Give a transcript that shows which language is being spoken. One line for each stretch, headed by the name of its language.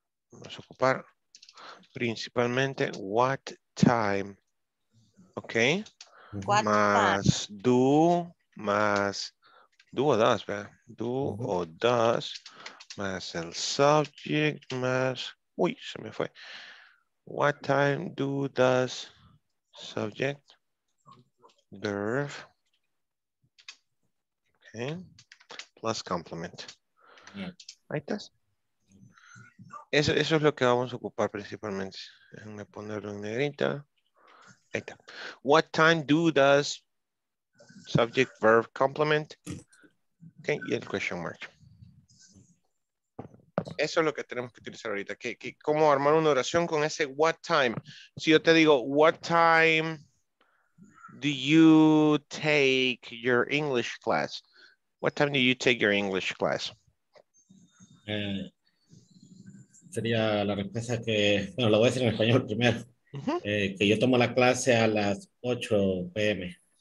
Spanish: Vamos a ocupar principalmente
English: what time, ok. What
Spanish: más
English: time?
Spanish: Do, más do o does, ¿verdad? Do o does, más el subject, más, uy, se me fue.
English: What time, do, does, subject, verb, okay, plus complement.
Spanish: Ahí estás. Eso es lo que vamos a ocupar principalmente. Déjenme ponerlo en negrita. Ahí está.
English: What time, do, does, subject, verb, complement. Okay, y el question mark.
Spanish: Eso es lo que tenemos que utilizar ahorita. Que ¿cómo armar una oración con ese what time? Si yo te digo,
English: what time do you take your English class? What time do you take your English class?
Spanish: Sería la respuesta que, bueno, lo voy a decir en español primero. Uh-huh. Que yo tomo la clase a las 8 p.m.